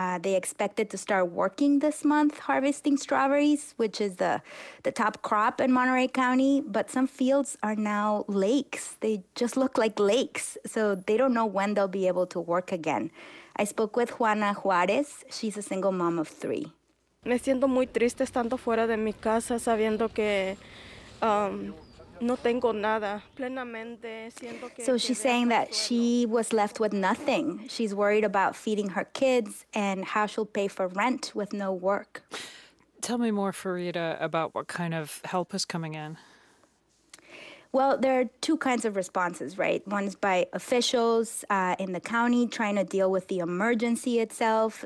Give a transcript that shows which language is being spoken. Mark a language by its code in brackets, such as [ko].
[en] They expected to start working this month harvesting strawberries, which is the top crop in Monterey County. But some fields are now lakes. They just look like lakes. So they don't know when they'll be able to work again. I spoke with Juana Juarez. She's a single mom of three. [es] Me siento muy triste estando fuera de mi casa sabiendo que no tengo nada. Plenamente siento que. [en] So she's saying that she was left with nothing. She's worried about feeding her kids and how she'll pay for rent with no work. Tell me more, Farida, about what kind of help is coming in. Well, there are two kinds of responses, right? One's by officials in the county trying to deal with the emergency itself.